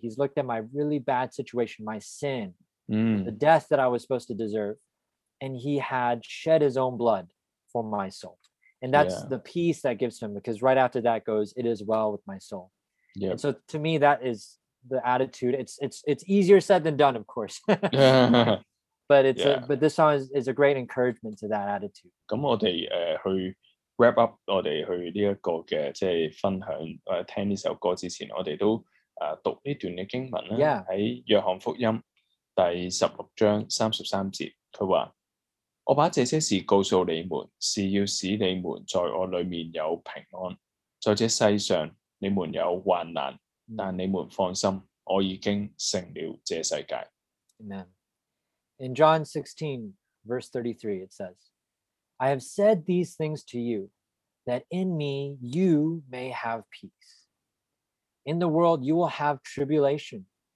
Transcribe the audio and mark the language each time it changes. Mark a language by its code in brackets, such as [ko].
[en] He's looked at my really bad situation, my sin, the death that I was supposed to deserve, and he had shed his own blood for my soul. And that's the peace that gives him, because right after that goes, it is well with my soul. And so to me, that is the attitude. It's easier said than done, of course. But this song is a great encouragement to that attitude. [yue] 咁我哋去 [en] wrap up [yue] 我哋去呢一个嘅即系分享听呢首歌之前，我哋都读呢段嘅经文啦。喺约翰福音第16:33，佢话：我把这些事告诉你们，是要使你们在我里面有平安。在这世上你们有患难，但你们放心，我已经胜了这世界。 [en] Amen. In John 16:33, it says, I have said these things to you, that in me you may have peace. In the world you will have tribulation,